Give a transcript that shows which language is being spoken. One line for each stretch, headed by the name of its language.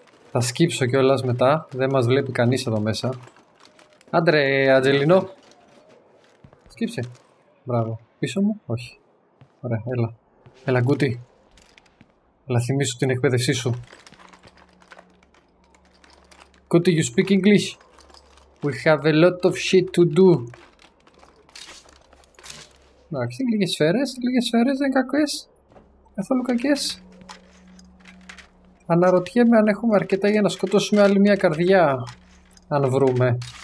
Greek: Θα σκύψω κιόλας μετά. Δεν μας βλέπει κανείς εδώ μέσα. Άντρε Αντζελίνο. Σκύψε. Μπράβο. Πίσω μου. Όχι. Ωραία, έλα. Έλα γκούτι. Έλα θυμίσου την εκπαίδευσή σου.
English: Could you speak English? We have a lot of shit to do.
Greek: Εντάξει, λίγες σφαίρες δεν κακές. Καθόλου κακές. Αναρωτιέμαι αν έχουμε αρκετά για να σκοτώσουμε άλλη μια καρδιά. Αν βρούμε.